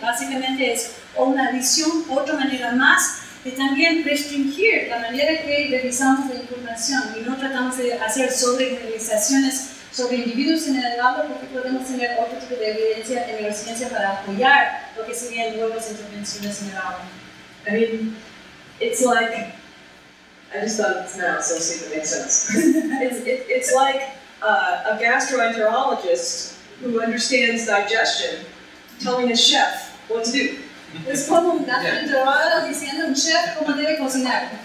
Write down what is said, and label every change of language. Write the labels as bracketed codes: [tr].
[es] Básicamente es una adición, otra manera más de también restringir la manera que revisamos la información y no tratamos de hacer sobregeneralizaciones sobre individuos en el aula porque podemos tener otro tipo de evidencia en neurociencia para apoyar lo que serían nuevas intervenciones en el aula. [en] I mean, it's like, I just thought it's now, so see if it makes sense. It's like a gastroenterologist who understands digestion telling a chef what to do. [es] Es como un gastroenterólogo diciendo a un chef cómo debe cocinar.